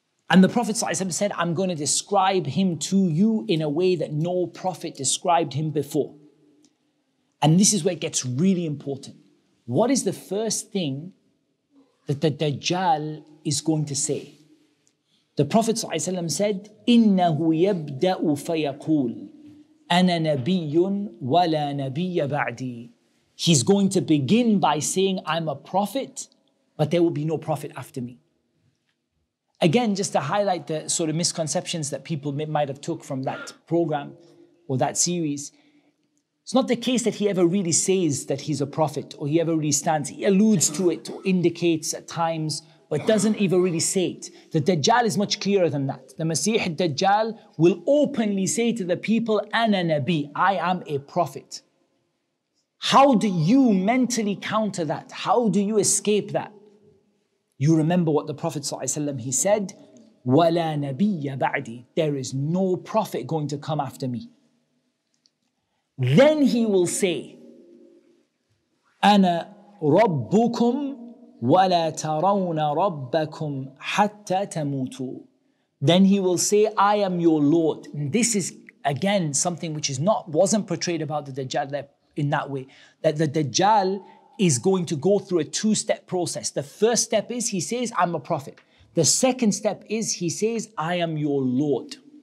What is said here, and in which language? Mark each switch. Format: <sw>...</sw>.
<en>And the Prophet ﷺ said, I'm going to describe him to you in a way that no prophet described him before. And this is where it gets really important. What is the first thing that the Dajjal is going to say? The Prophet ﷺ said,</en> <ar>إِنَّهُ يَبْدَأُ فَيَقُولُ أَنَا نَبِيٌّ وَلَا نَبِيَّ بَعْدِي.</ar> <en>He's going to begin by saying, I'm a prophet, but there will be no prophet after me. Again, just to highlight the sort of misconceptions that people might have took from that program or that series, it's not the case that he ever really says that he's a prophet or he ever really stands. He alludes to it or indicates at times, but doesn't even really say it. The Dajjal is much clearer than that. The Masih Dajjal will openly say to the people,</en> <ar>Ana Nabi,</ar> <en>I am a prophet. How do you mentally counter that? How do you escape that? You remember what the Prophet ﷺ, he said,</en> <ar>وَلَا نَبِيَّ بَعْدِي.</ar> <en>There is no prophet going to come after me. Then he will say,</en> <ar>أَنَا رَبُّكُمْ وَلَا تَرَوْنَ رَبَّكُمْ حَتَّى تَمُوتُوا.</ar> <en>Then he will say, I am your Lord. And this is, again, something which is not wasn't portrayed about the Dajjal in that way. That the Dajjal is going to go through a two-step process. The first step is, he says, I'm a prophet. The second step is, he says, I am your Lord.</en>